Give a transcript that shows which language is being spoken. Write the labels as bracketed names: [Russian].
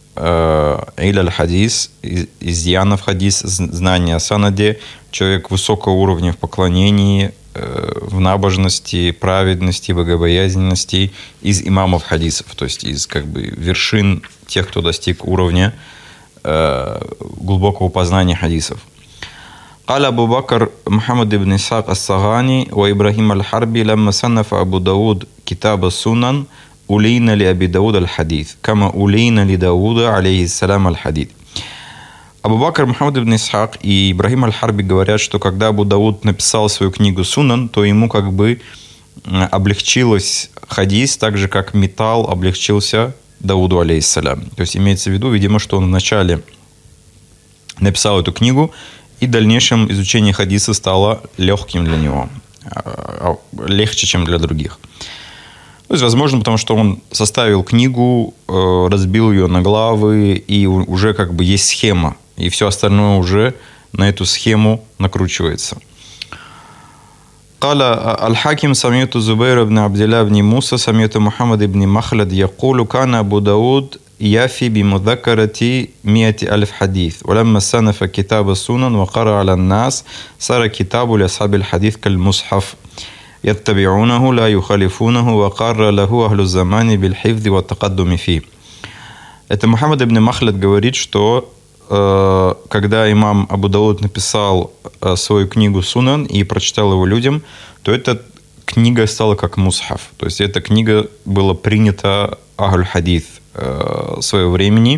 [Russian] Иля аль-Хадис, изъяна в хадис, знание о санаде, человек высокого уровня в поклонении, в набожности, праведности, богобоязненности, из имамов хадисов, то есть из как бы вершин тех, кто достиг уровня глубокого познания хадисов. [Arabic] قال أبو بكر محمد بن إسحاق الصغاني وإبراهيم الحربي لما صنف أبو داود كتاب السنن أولين لأبي داود الحديث كما أولين لداود عليه السلام الحديث. [Russian] أبو بكر محمد بن إسحاق и إبراهيم الحربي говорят, что когда Абу Дауд написал свою книгу Сунан, то ему как бы облегчилось хадис, так же как металл облегчился Дауду алейхиссалям. То есть имеется в виду, видимо, что он вначале написал эту книгу, и в дальнейшем изучение хадиса стало легким для него, легче, чем для других. То есть, возможно, потому что он составил книгу, разбил ее на главы, и уже как бы есть схема, и все остальное уже на эту схему накручивается. [Arabic] قال الحاكم سمعت زبير بن عبد الله بن موسى سمعت محمد بن مخلد يقول كان أبو داود يافي بمذكرة 100,000 حديث ولما سنف كتاب السنن وقرأ على الناس صار كتاب لأصحاب الحديث كالمصحف يتبعونه لا يخالفونه وقرأ له أهل الزمان بالحفظ والتقدم فيه. [Russian] Это Мухаммад ибн Махлад говорит, что когда имам Абу Дауд написал свою книгу Сунан и прочитал его людям, то эта книга стала как мусхаф. То есть эта книга была принята Ахль Хадис своего времени.